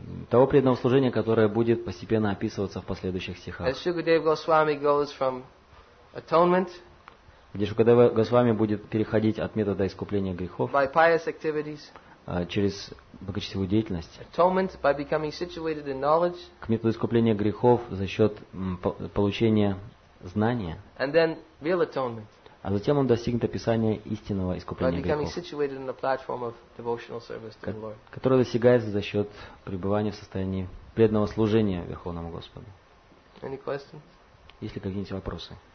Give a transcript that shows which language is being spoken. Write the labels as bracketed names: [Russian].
[Russian] Того преданного служения, которое будет постепенно описываться в последующих стихах. [English] As Shukadeva Goswami goes from atonement, [Russian] где Шукадева Госвами будет переходить от метода искупления грехов, [English] by pious activities, [Russian] через благочестивую деятельность, [English] atonement by becoming situated in knowledge, [Russian] к методу искупления грехов за счет получения знания, [English] and then real atonement, [Russian] а затем он достигнет описания истинного искупления грехов, [English] by becoming situated in the platform of devotional service to the Lord, [Russian] которое достигается за счет пребывания в состоянии преданного служения Верховному Господу. [English] Any questions? [Russian] Есть ли какие-нибудь вопросы?